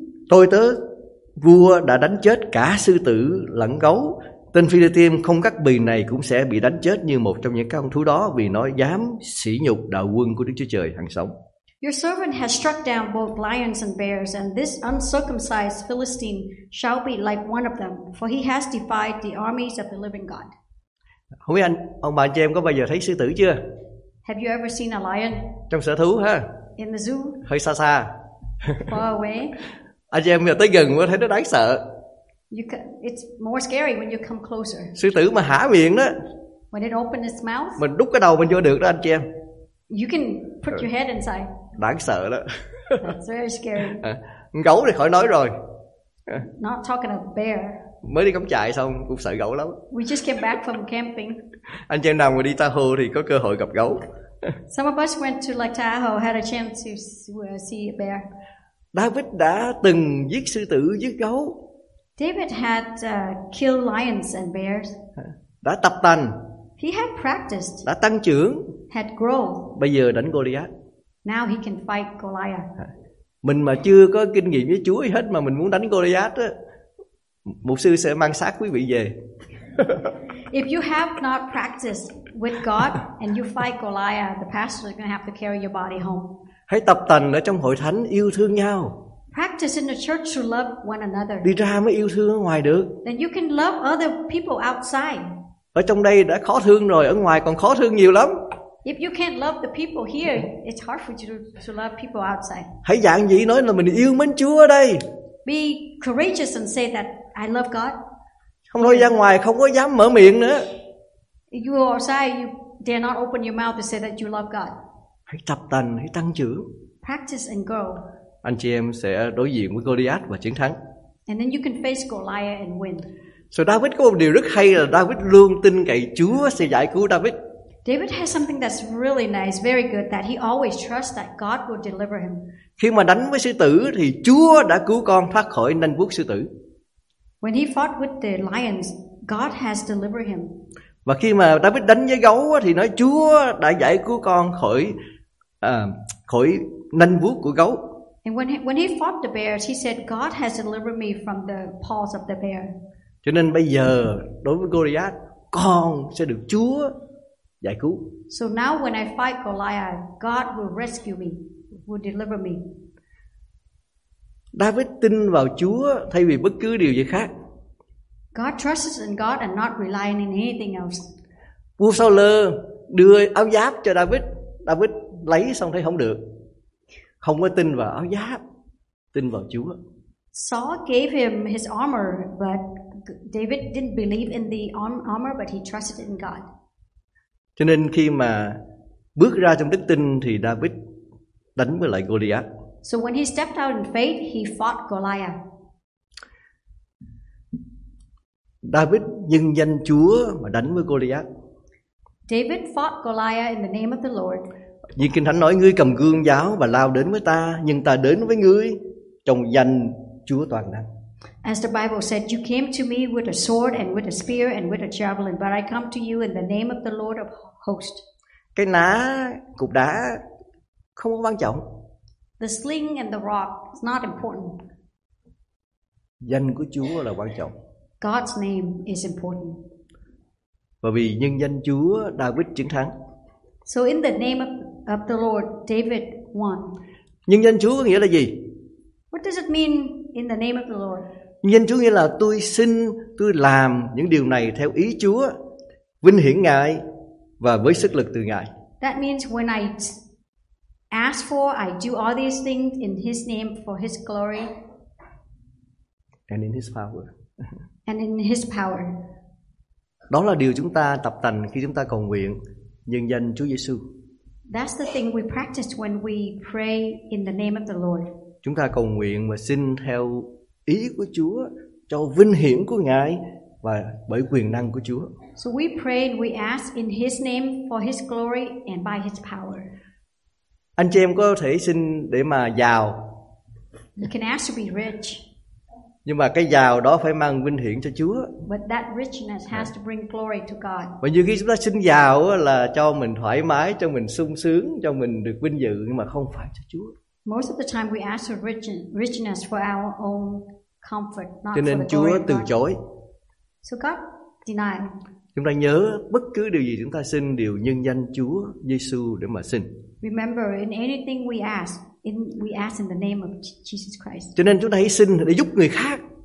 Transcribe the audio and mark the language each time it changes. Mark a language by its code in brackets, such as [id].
[vi] Tôi tớ vua đã đánh chết cả sư tử lẫn gấu. Tên Philistine không cắt bì này cũng sẽ bị đánh chết như một trong những con thú đó vì nó dám sỉ nhục đạo quân của Đức Chúa Trời hằng sống. [en] Your servant has struck down both lions and bears, and this uncircumcised Philistine shall be like one of them, for he has defied the armies of the living God. [vi] Không biết anh, ông bà chị em có bao giờ thấy sư tử chưa? [en] Have you ever seen a lion? [vi] Trong sở thú ha? [en] In the zoo? [vi] Hơi xa xa. [en] Far away. [vi] Anh chị em giờ tới gần mới thấy nó đáng sợ. [en] It's more scary when you come closer. [vi] Sư tử mà há miệng đó. [en] When it opens its mouth. [vi] Mình đút cái đầu mình vô được đó anh chị em. [en] You can put your head inside. [vi] Đáng sợ đó. [en] That's very scary. [vi] Gấu thì khỏi nói rồi. [en] Not talking about bear. [vi] Mới đi cắm trại xong cũng sợ gấu lắm. [en] We just came back from camping. [vi] Anh chị em nào mà đi Tahoe thì có cơ hội gặp gấu. [en] Some of us went to Lake Tahoe, had a chance to see a bear. [vi] David đã từng giết sư tử, giết gấu. [en] David had killed lions and bears. [vi] Đã tập tành. [en] He had practiced. [vi] Đã tăng trưởng. [en] Had grown. [vi] Bây giờ đánh Goliath. [en] Now he can fight Goliath. [vi] Mình mà chưa có kinh nghiệm với Chúa hết mà mình muốn đánh Goliath á, mục sư sẽ mang xác quý vị về. [en] If you have not practiced with God and you fight Goliath, the pastor is going to have to carry your body home. [vi] Hãy tập tành ở trong hội thánh yêu thương nhau. [en] Practice in the church to love one another. [vi] Đi ra mới yêu thương ở ngoài được. [en] Then you can love other people outside. [vi] Ở trong đây đã khó thương rồi, ở ngoài còn khó thương nhiều lắm. [en] If you can't love the people here, it's hard for you to love people outside. [vi] Hãy dạn dĩ nói là mình yêu mến Chúa ở đây. [en] Be courageous and say that I love God. [vi] Không thôi ra ngoài không có dám mở miệng nữa. [en] You are outside, you dare not open your mouth to say that you love God. [vi] Hãy tập tành, hãy tăng trưởng. [en] Practice and grow. [vi] Anh chị em sẽ đối diện với Goliath và chiến thắng. [en] And then you can face Goliath and win. [vi] So David có một điều rất hay là David luôn tin cậy Chúa sẽ giải cứu David. [en] David has something that's really nice, very good, that he always trusts that God will deliver him. [vi] Khi mà đánh với sư tử thì Chúa đã cứu con thoát khỏi nanh vuốt sư tử. [en] When he fought with the lions, God has delivered him. [vi] Và khi mà David đánh với gấu thì nói Chúa đã giải cứu con khỏi khỏi nanh vuốt của gấu. [en] And when he fought the bears, he said God has delivered me from the paws of the bear. [vi] Cho nên bây giờ đối với Goliath, con sẽ được Chúa giải cứu. [en] So now when I fight Goliath, God will rescue me, will deliver me. [vi] David tin vào Chúa thay vì bất cứ điều gì khác. [en] God trusts in God and not relying on anything else. [vi] Vua Saul đưa áo giáp cho David, David lấy xong thấy không được. Không có tin vào áo giáp, tin vào Chúa. [en] Saul gave him his armor, but David didn't believe in the armor, but he trusted in God. [vi] Cho nên khi mà bước ra trong đức tin thì David đánh với lại Goliath. [en] So when he stepped out in faith, he fought Goliath. [vi] David nhân danh Chúa mà đánh với Goliath. [en] David fought Goliath in the name of the Lord. [vi] Như Kinh Thánh nói, ngươi cầm gươm giáo và lao đến với ta, nhưng ta đến với ngươi trong danh Chúa toàn năng. [en] As the Bible said, you came to me with a sword and with a spear and with a javelin, but I come to you in the name of the Lord of hosts. [vi] Cái ná, cục đá không có quan trọng. [en] The sling and the rock is not important. [vi] Danh của Chúa là quan trọng. [en] God's name is important. [vi] Và vì nhân danh Chúa, David chiến thắng. [en] So in the name of the Lord, David won. [vi] Nhân danh Chúa có nghĩa là gì? [en] What does it mean in the name of the Lord? [vi] Nhân danh Chúa nghĩa là tôi xin, tôi làm những điều này theo ý Chúa, vinh hiển Ngài và với sức lực từ Ngài. [en] That means when I ask for, I do all these things in His name for His glory. And in His power. And in His power. [vi] Đó là điều chúng ta tập tành khi chúng ta cầu nguyện nhân danh Chúa Giêsu. [en] That's the thing we practice when we pray in the name of the Lord. [vi] Chúng ta cầu nguyện và xin theo ý của Chúa cho vinh hiển của Ngài và bởi quyền năng của Chúa. [en] So we pray and we ask in His name for His glory and by His power. [vi] Anh chị em có thể xin để mà giàu. [en] You can ask to be rich. [vi] Nhưng mà cái giàu đó phải mang vinh hiển cho Chúa. [en] But that richness has to bring glory to God. [vi] Và nhiều khi chúng ta xin giàu là cho mình thoải mái, cho mình sung sướng, cho mình được vinh dự, nhưng mà không phải cho Chúa. [en] Most of the time we ask for richness for our own comfort, not for the [vi] glory. Cho nên Chúa từ chối. [en] So God denied. [vi] Chúng ta nhớ bất cứ điều gì chúng ta xin đều nhân danh Chúa Giêsu để mà xin. [en] Remember, in anything we ask, we ask in the name of Jesus Christ. [vi] Cho nên chúng ta hãy xin để giúp người khác.